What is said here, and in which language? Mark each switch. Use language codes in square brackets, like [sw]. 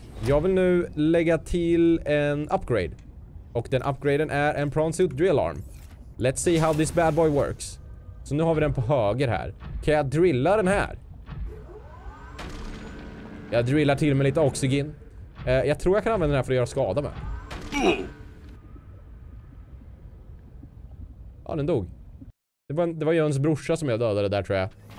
[sv] Jag vill nu lägga till en upgrade. Och den upgraden är en prawn suit drill arm. [en] Let's see how this bad boy works. [sv] Så nu har vi den på höger här. Kan jag drilla den här? Jag drillar till med lite oxygen. Jag tror jag kan använda den här för att göra skada med. Ja, den dog. Det var Jöns brorsa som jag dödade där, tror jag.